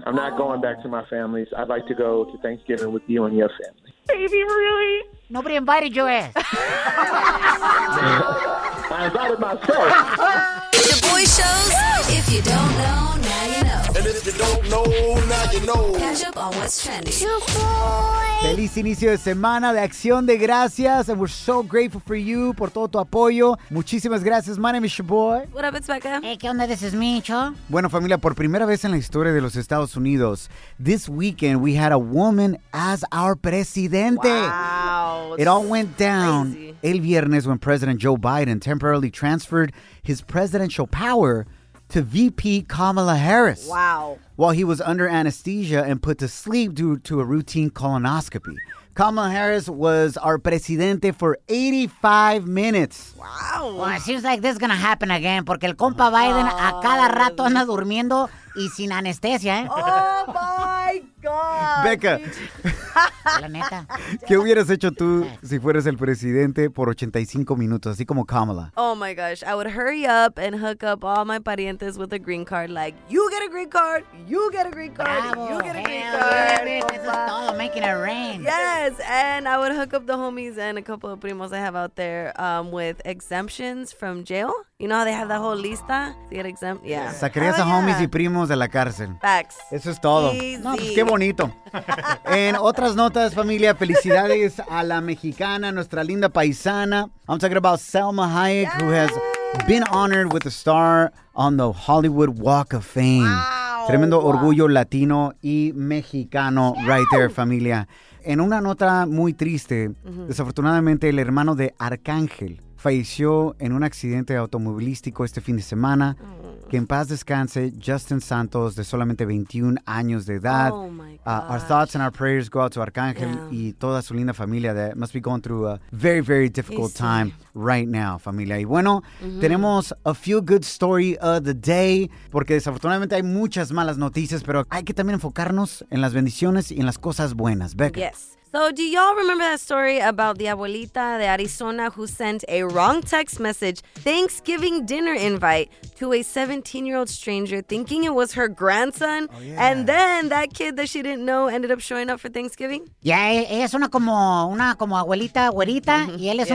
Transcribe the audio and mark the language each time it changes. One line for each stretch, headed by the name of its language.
English: I'm not going back to my family's. I'd like to go to Thanksgiving with you and your family. Baby, really? Nobody invited your ass. I invited myself. The boy shows. If you don't know, now you know. And if you don't know, now you know. Catch up on what's trending. You boy.
Spanish: Feliz inicio de semana de Acción de Gracias.
English: And we're so grateful for you,
Spanish: por todo tu apoyo. Muchísimas gracias.
English: My name is Shaboy. What up, it's Becca. Hey,
Spanish: ¿qué onda?
English: This is Micho.
Spanish: Bueno, familia, por primera vez en la historia de los Estados Unidos,
English: this weekend we had a woman as our presidente. Wow. It all went down crazy.
Spanish: El viernes
English: when President Joe Biden temporarily transferred his presidential power to VP Kamala Harris. Wow. While he was under anesthesia and put to sleep due to a routine colonoscopy. Kamala Harris was our presidente for 85 minutes. Wow. Well, it seems like this is going to happen again,
Spanish: porque el compa Biden a cada rato anda durmiendo y sin anestesia, ¿eh?
English: Oh, my God. Becca.
Spanish: La neta. ¿Qué hubieras hecho tú si fueras el presidente por 85 minutos, así como Kamala?
English: Oh, my gosh. I would hurry up and hook up all my parientes with a green card. Like, you get a green card, you get a green card,
Spanish: bravo,
English: you get a green hell, card. This is todo making it rain. Yes, and I would hook up the homies and a couple of primos I have out there with exemptions from jail. You know how they have that whole lista? They get exempt? Yeah.
Spanish: Sacarías a homies y primos de la cárcel.
English: Facts.
Spanish: Eso es todo.
English: Easy.
Spanish: No, pues qué bonito. En otras notas, familia, felicidades a la mexicana, nuestra linda paisana.
English: I'm talking about Selma Hayek, yes, who has been honored with a star on the Hollywood Walk of Fame. Wow.
Spanish: Tremendo
English: wow.
Spanish: Orgullo latino y mexicano,
English: yeah, right there,
Spanish: familia. En una nota muy triste, mm-hmm, desafortunadamente, el hermano de Arcángel falleció en un accidente automovilístico este fin de semana. Que en paz descanse, Justin Santos, de solamente 21 años de edad.
English: Oh, my gosh. Our thoughts and our prayers go out to Arcángel, yeah,
Spanish: y toda su linda familia
English: that must be going through a very, very difficult time right now, familia.
Spanish: Y bueno, mm-hmm, tenemos
English: a feel good story of the day,
Spanish: porque desafortunadamente hay muchas malas noticias, pero hay que también enfocarnos en las bendiciones y en las cosas buenas. Becca.
English: Yes. So, do y'all remember that story about the
Spanish: abuelita de Arizona
English: who sent a wrong text message Thanksgiving dinner invite to a 17-year-old stranger thinking it was her grandson? Oh, yeah. And then that kid that she didn't know ended up showing up for Thanksgiving?
Spanish: Yeah, ella es una como abuelita, güerita, mm-hmm, y él es,